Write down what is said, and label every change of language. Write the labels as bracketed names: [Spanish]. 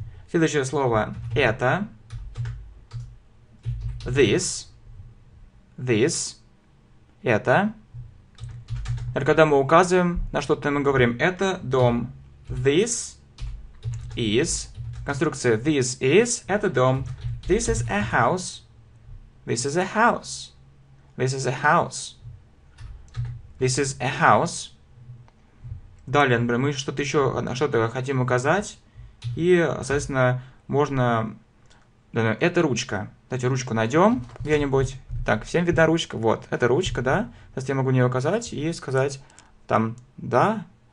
[Russian] Следующее слово это. [English] This, [Russian] это. Когда мы указываем на что-то, мы говорим, это дом. [English] This is, [Russian] конструкция [English] this is, [Russian] это дом. [English] This is a house, this is a house, this is a house, this is a house. [Russian] Далее, например, мы что-то еще, на что-то хотим указать, и, соответственно, можно... Это ручка. Давайте ручку найдем где-нибудь. Так, всем видна ручка. Вот, это ручка, да? Сейчас я могу на нее указать и сказать там, да.